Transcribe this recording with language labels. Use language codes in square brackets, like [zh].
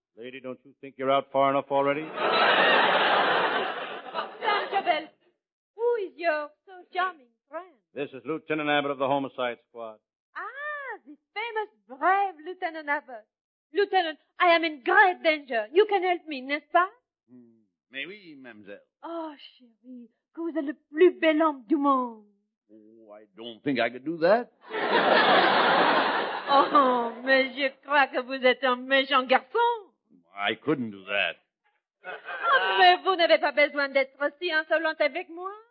[en] Lady, don't you think you're out far enough already? Sam Chauvel, who is your so charming friend? This is Lieutenant Abbott of the Homicide Squad. Ah, the famous brave Lieutenant Abbott. Lieutenant, I am in great danger. You can help me, [fr] n'est-ce pas? Mais oui, mademoiselle. Oh, chérie, que vous êtes le plus bel homme du monde. [en] Oh, I don't think I could do that. [fr] Oh, mais je crois que vous êtes un méchant garçon. [en] I couldn't do that. [fr] Oh, mais vous n'avez pas besoin d'être si insolente avec moi.